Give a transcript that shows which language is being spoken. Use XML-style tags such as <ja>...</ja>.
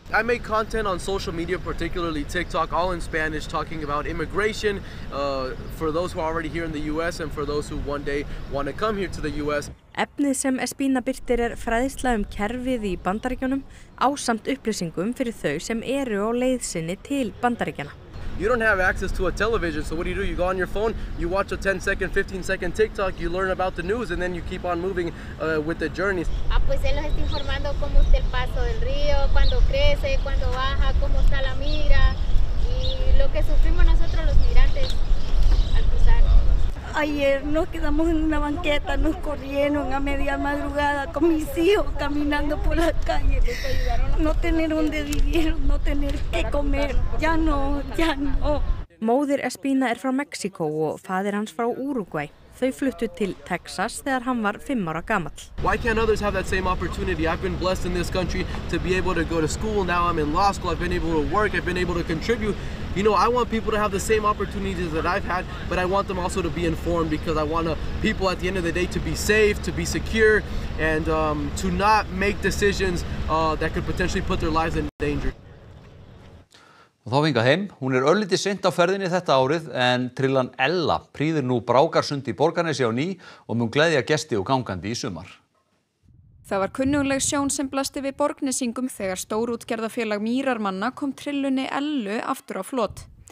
<en>I make content on social media, particularly TikTok, all in Spanish, talking about immigration for those who are already here in the US and for those who one day want to come here to the US.</en> <is>Efnið sem Espina birtir fræðsla kerfið í Bandaríkjunum ásamt upplýsingum fyrir þau sem eru á leið sinni til Bandaríkjanna.</is> <en>You don't have access to a television, so what do? You go on your phone, you watch a 10-second, 15-second TikTok, you learn about the news, and then you keep on moving with the journey.</en> <es>Ah, pues él nos está informando cómo está el paso del río, cuando crece, cuando baja, cómo está la migra, y lo que sufrimos nosotros los migrantes al cruzar. Ayer nos quedamos en una banqueta, nos corrieron a media madrugada con mis hijos caminando por la calle. No tener donde vivir, no tener qué comer, ya no, ya no.</es> <is>Móðir Espina frá Mexíkó og faðir hans frá Úrugvæ. Þau fluttu til Texas þegar hann var 5 ára gamall.</is> <en>Why can't others have that same opportunity? I've been blessed in this country to be able to go to school. Now I'm in law school. I've been able to work. I've been able to contribute. You know, I want people to have the same opportunities that I've had, but I want them also to be informed because I want people at the end of the day to be safe, to be secure, and to not make decisions that could potentially put their lives in danger.</en> <is>Og þá hingað heim, hún örlítið seint á ferðinni þetta árið en trillan Ella prýðir nú brákarsund í Borgarnesi á ný og mun gleðja gesti og gangandi í sumar. Það var kunnugleg sjón sem blasti við Borgnesingum þegar stórútgerðafélag Mýrarmanna kom trillunni Ellu aftur á flot.</is>